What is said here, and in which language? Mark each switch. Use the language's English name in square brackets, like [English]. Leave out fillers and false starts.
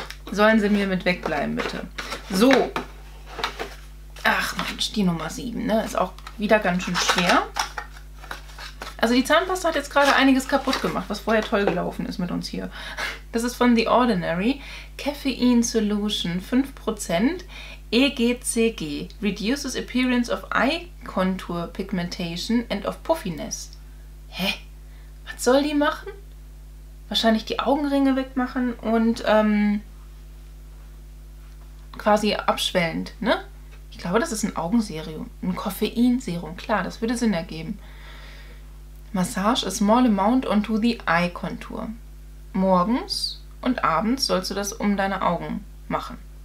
[German] Sollen sie mir mit wegbleiben, bitte. So. Ach Mensch, die Nummer 7, ne? Ist auch wieder ganz schön schwer. Also die Zahnpasta hat jetzt gerade einiges kaputt gemacht, was vorher toll gelaufen ist mit uns hier. Das ist von The Ordinary. [English] Caffeine Solution 5% EGCG. Reduces appearance of eye contour pigmentation and of puffiness. [German] Hä? Was soll die machen? Wahrscheinlich die Augenringe wegmachen und quasi abschwellend, ne? Ich glaube, das ist ein Augenserum. Ein Koffeinserum, klar, das würde Sinn ergeben. [English] Massage a small amount onto the eye contour. [German] Morgens und abends sollst du das um deine Augen machen.